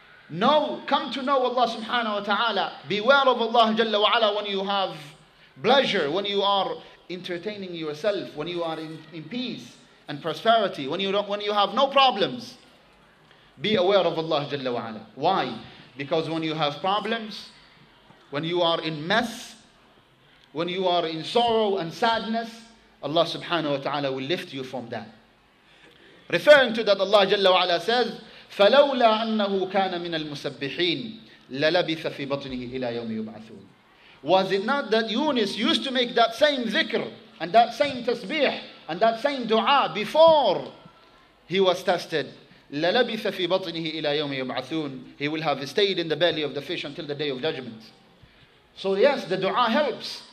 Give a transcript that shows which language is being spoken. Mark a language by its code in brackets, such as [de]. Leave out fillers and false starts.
[en] Know, come to know Allah subhanahu wa ta'ala. Beware of Allah jalla wa ala when you have pleasure, when you are entertaining yourself, when you are in peace and prosperity, when you have no problems, be aware of Allah Jalla wa Ala. Why? Because when you have problems, when you are in mess, when you are in sorrow and sadness, Allah Subhanahu wa Ta'ala will lift you from that. Referring to that, Allah Jalla wa Ala says, [ar] فَلَوْلَا أَنَّهُ كَانَ مِنَ الْمُسَبِّحِينَ لَلَبِثَ فِي بَطْنِهِ إِلَى يَوْمِ يُبْعَثُونَ. [en] Was it not that Yunus used to make that same dhikr and that same tasbih and that same dua before he was tested? [ar] لَلَبِثَ فِي بَطْنِهِ إِلَى يَوْمِ يُبْعَثُونَ. [en] He will have stayed in the belly of the fish until the day of judgment. So yes, the dua helps.